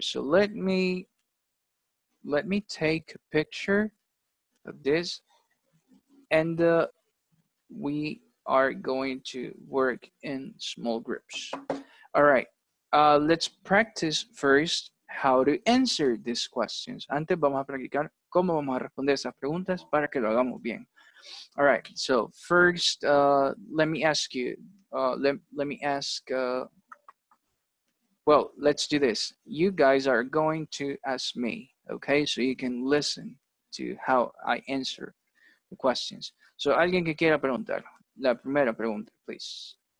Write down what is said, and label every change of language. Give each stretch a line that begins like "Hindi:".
English: So let me take a picture of this, and we are going to work in small groups. All right, let's practice first how to answer these questions.
Spanish: Antes vamos a practicar cómo vamos a responder esas preguntas para que lo hagamos bien.
English: All right, so first, let's do this. You guys are going to ask me, okay? So you can listen to how I answer the questions.
Spanish: So alguien que quiera preguntar, la primera pregunta, please.